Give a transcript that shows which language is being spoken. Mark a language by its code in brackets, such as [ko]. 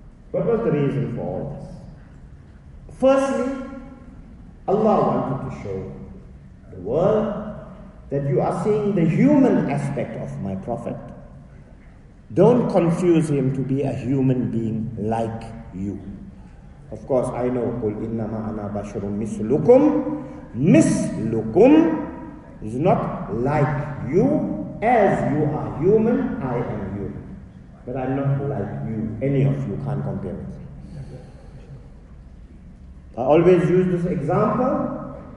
[en] What was the reason for all this? Firstly, Allah wanted to show the world that you are seeing the human aspect of my Prophet. Don't confuse him to be a human being like you. Of course, I know, [ar] قُلْ إِنَّمَا أَنَا بَشْرٌ مِثْلُكُمْ. [en] مِثْلُكُمْ is not like you. As you are human, I am human. But I'm not like you, any of you can't compare with me. I always use this example.